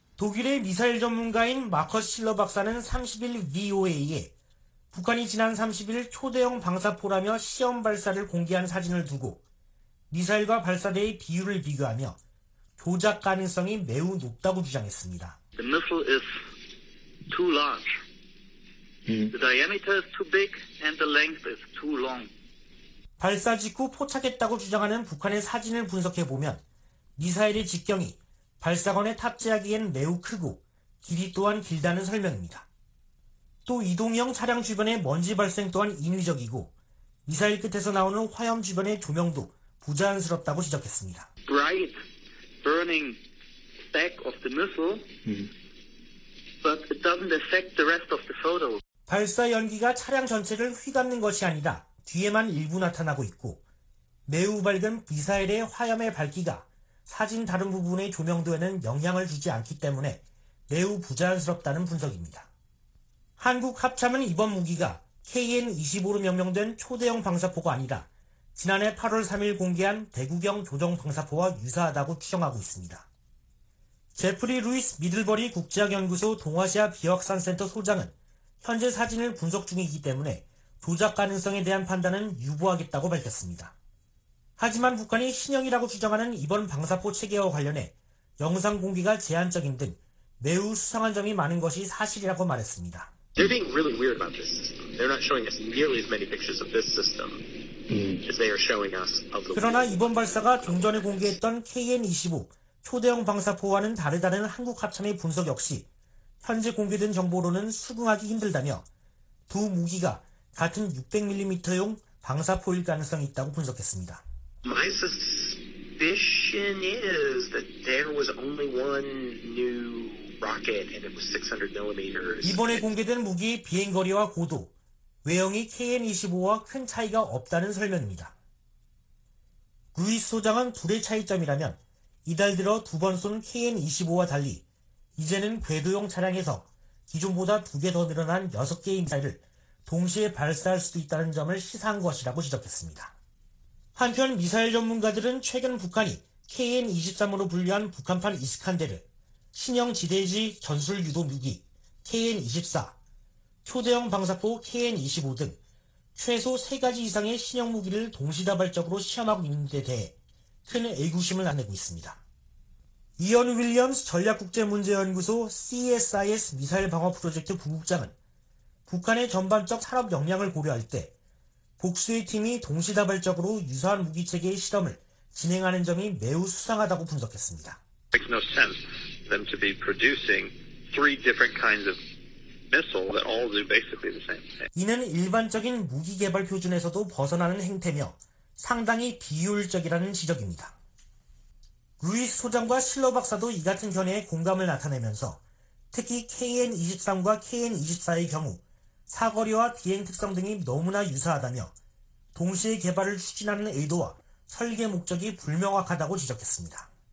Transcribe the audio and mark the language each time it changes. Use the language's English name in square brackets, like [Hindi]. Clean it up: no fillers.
[Korean] 독일의 미사일 전문가인 마커스 실러 박사는 30일 VOA에 북한이 지난 30일 초대형 방사포라며 시험 발사를 공개한 사진을 두고 미사일과 발사대의 비율을 비교하며 조작 가능성이 매우 높다고 주장했습니다. [English] The missile is too large. The diameter is too big and the length is too long. [Korean] 발사 직후 포착했다고 주장하는 북한의 사진을 분석해보면 미사일의 직경이 발사관에 탑재하기엔 매우 크고 길이 또한 길다는 설명입니다. 또 이동형 차량 주변의 먼지 발생 또한 인위적이고 미사일 끝에서 나오는 화염 주변의 조명도 부자연스럽다고 지적했습니다. [English] Bright burning back of the missile, but it doesn't affect the rest of the photo. [Korean] 발사 연기가 차량 전체를 휘감는 것이 아니라 뒤에만 일부 나타나고 있고 매우 밝은 미사일의 화염의 밝기가 사진 다른 부분의 조명도에는 영향을 주지 않기 때문에 매우 부자연스럽다는 분석입니다. 한국 합참은 이번 무기가 KN-25로 명명된 초대형 방사포가 아니라 지난해 8월 3일 공개한 대구경 조정 방사포와 유사하다고 추정하고 있습니다. 제프리 루이스 미들버리 국제학연구소 동아시아 비확산센터 소장은 현재 사진을 분석 중이기 때문에 조작 가능성에 대한 판단은 유보하겠다고 밝혔습니다. 하지만 북한이 신형이라고 주장하는 이번 방사포 체계와 관련해 영상 공개가 제한적인 등 매우 수상한 점이 많은 것이 사실이라고 말했습니다. [English] They're being really weird about this. They're not showing us nearly as many pictures of this system as they are showing us of the. [Korean] 그러나 이번 발사가 좀 전에 공개했던 KN-25 초대형 방사포와는 다르다는 한국 합참의 분석 역시 현재 공개된 정보로는 수긍하기 힘들다며 두 무기가 같은 600mm용 방사포일 가능성이 있다고 분석했습니다. [English] My suspicion is that there was only one new rocket and it was 600mm. [Korean] 이번에 공개된 무기의 비행 거리와 고도, 외형이 KN-25와 큰 차이가 없다는 설명입니다. 루이스 소장은 둘의 차이점이라면 이달 들어 두 번 쏜 KN-25와 달리 이제는 궤도형 차량에서 기존보다 두 개 더 늘어난 여섯 개의 미사일을 동시에 발사할 수도 있다는 점을 시사한 것이라고 지적했습니다. 한편 미사일 전문가들은 최근 북한이 KN-23으로 분류한 북한판 이스칸데르, 신형 지대지 전술 유도 무기 KN-24, 초대형 방사포 KN-25 등 최소 3가지 이상의 신형 무기를 동시다발적으로 시험하고 있는 데 대해 큰 애국심을 나타내고 있습니다. 이언 윌리엄스 전략국제문제연구소 CSIS 미사일 방어 프로젝트 부국장은 북한의 전반적 산업 역량을 고려할 때 복수의 팀이 동시다발적으로 유사한 무기체계의 실험을 진행하는 점이 매우 수상하다고 분석했습니다. [English] Makes no sense them to be producing three different kinds of missile that all do basically the same thing. [Korean] 이는 일반적인 무기 개발 표준에서도 벗어나는 행태며 상당히 비효율적이라는 지적입니다. 루이스 소장과 실러 박사도 이 같은 견해에 공감을 나타내면서 특히 KN-23과 KN-24의 경우 사거리와 비행 특성 등이 너무나 유사하다며 동시에 개발을 추진하는 의도와 설계 목적이 불명확하다고 지적했습니다.